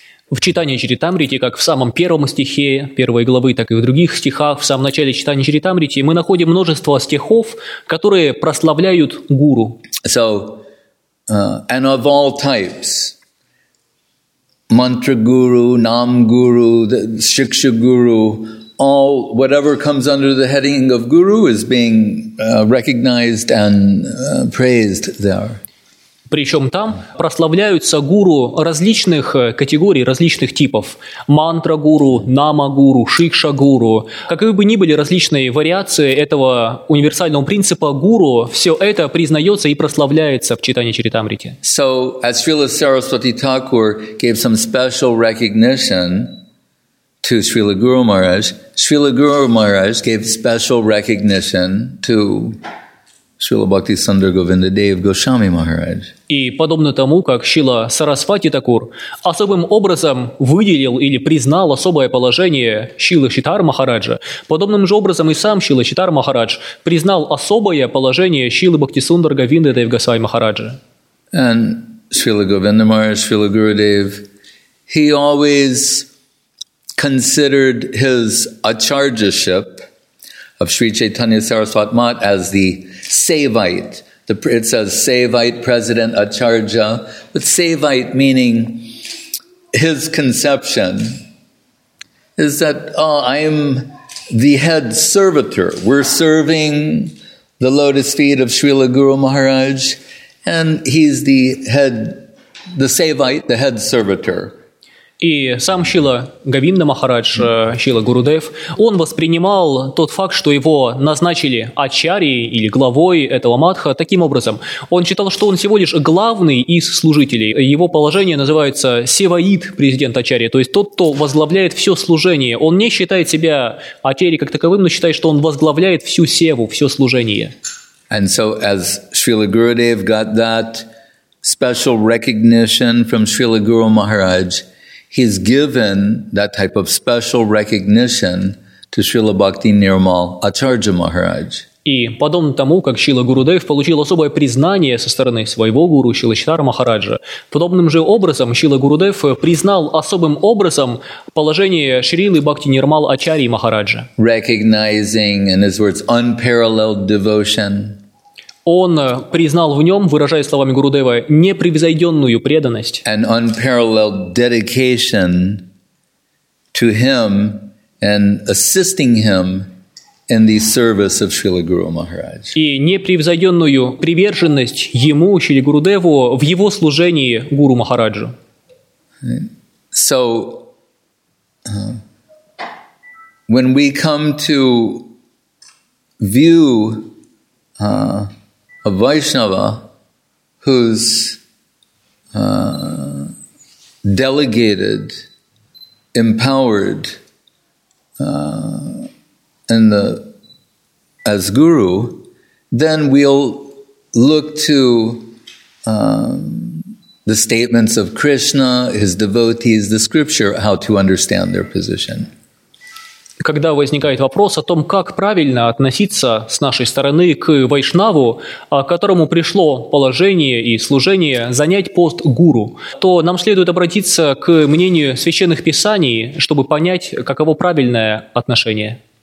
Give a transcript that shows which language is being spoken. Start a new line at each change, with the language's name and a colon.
Russian: В Чайтанья Чаритамрите, как в самом первом стихе первой главы, так и в других стихах, в самом начале Чайтанья Чаритамрите, мы находим множество стихов, которые прославляют Гуру.
English: So, and of all types. Mantra Guru, Nam Guru, Shiksha Guru, all whatever comes under the heading of guru is being recognized and praised there.
Russian: Причем там прославляются гуру различных категорий, различных типов. Мантра гуру, нама гуру, шикша гуру. Какие бы ни были различные вариации этого универсального принципа гуру, все это признается и прославляется в Чайтанья Чаритамрите.
English: So, as Srila Saraswati Thakur gave some special recognition to Srila Guru Maharaj, Srila Guru Maharaj gave special recognition to Srila Bhakti Sundar Govinda Dev Goswami Maharaj.
Russian: И подобно тому, как Шрила Сарасвати Такур особым образом выделил или признал особое положение Шрилы Читар Махараджа, подобным же образом и сам Шрила Читар Махарадж признал особое положение Шрилы Бхакти Сундар Говинда Дев Госвами Махараджа.
English: And Srila Govinda Maharaj, Srila Guru Dev, he always considered his acharyaship of Sri Chaitanya Saraswati Mat as the Saivite. It says Saivite President Acharya, but Saivite meaning his conception is that I am the head servitor. We're serving the lotus feet of Srila Guru Maharaj, and he's the head the Saivite, the head servitor.
Russian: И сам Шрила Говинда Махарадж, Шрила Гурудев, он воспринимал тот факт, что его назначили ачарьей или главой этого матха таким образом. Он считал, что он всего лишь главный из служителей. Его положение называется севаид, президент ачарьи, то есть тот, кто возглавляет все служение. Он не считает себя ачарьей как таковым, но считает, что он возглавляет всю севу, все служение.
English: And so as Шрила Гурудев got that special recognition from Шрила Гуру Махарадж, he's given that type of special recognition to Srila Bhakti Nirmal Acharya Maharaj.
Russian: И подобно тому, как Шрила Гурудев получил особое признание со стороны своего гуру Шрила Читара Махараджа, подобным же образом Шрила Гурудев признал особым образом положение Шрилы Бхакти Нирмал Ачарьи Махараджа.
English: Recognizing, in his words, unparalleled devotion.
Russian: Он признал в нем, выражая словами Гурудева, непревзойденную преданность.
English: An unparalleled dedication to him and assisting him in the service of Srila Guru Maharaj.
Russian: И непревзойденную приверженность ему, Шриле Гурудеву, в его служении Гуру Махараджу.
English: So, when we come to view a Vaishnava who's delegated, empowered in the as guru, then we'll look to the statements of Krishna, his devotees, the scripture, how to understand their position.
Russian: Когда возникает вопрос о том, как правильно относиться с нашей стороны к вайшнаву, которому пришло положение и служение занять пост гуру, то нам следует обратиться к мнению священных писаний, чтобы понять, каково правильное отношение.